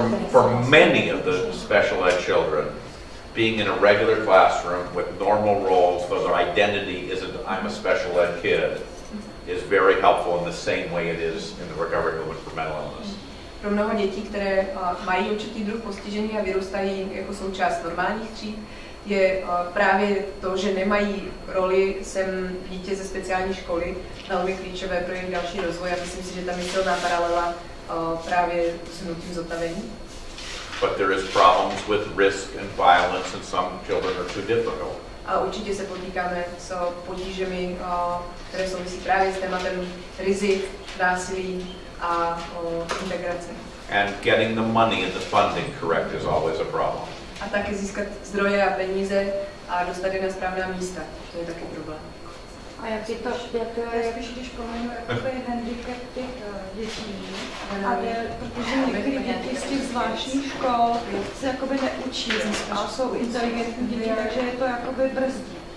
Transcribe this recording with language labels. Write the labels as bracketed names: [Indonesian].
[English] For many of the special ed children, being in a regular classroom with normal roles, though their identity isn't I'm a special ed kid, is very helpful in the same way it is in the recovery movement for mental illness. [Czech] Pro mnoho dětí, které mají určitý druh postižení a vyrůstají jako součást normálních tříd, je právě to, že nemají roli sem dítě ze speciální školy, velmi klíčové pro jejich další rozvoj. A myslím si, že tam je silná paralela právě s nutím zotavení. [English] But there is problems with risk and violence, and some children are too difficult. [Czech] A určitě se potýkáme s potížemi, které souvisí právě s tématem rizik, násilí a integrace. [English] And getting the money and the funding correct is always a problem. [Czech] A taky získat zdroje a peníze a dostat je na správná místa, to je taky problém. A jak si to, když pomenu, jako je handicap těch dětí, ale protože některé děti z těch zvláštních škol se jakoby neučí a jsou inteligentní děti, takže je to jakoby brzdí.